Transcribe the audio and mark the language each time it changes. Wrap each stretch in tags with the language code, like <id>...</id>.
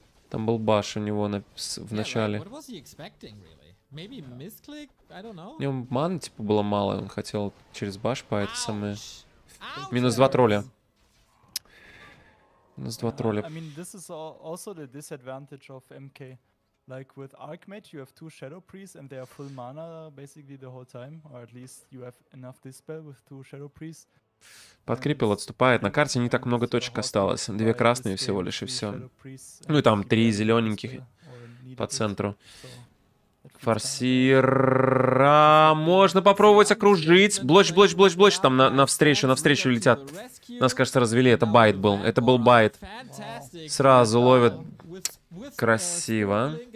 <ru>Там был баш у него в начале. У него маны, типа, было мало, он хотел через баш по этой самой... Минус два тролля. У нас два тролля.</ru> <en>I mean, this is also the disadvantage of MK. Like with Archmage, you have two Shadow Priests and they are full mana basically the whole time, or at least you have enough dispel with two Shadow Priests.</en> <ru>Подкрипил, отступает. На карте не так много точек осталось. Две красные всего лишь и все. Ну и там три зелененьких по центру. Форсира. Можно попробовать окружить. Блоч. Там навстречу летят. Нас, кажется, развели. Это байт был. Это был байт. Сразу ловят. Красиво.</ru>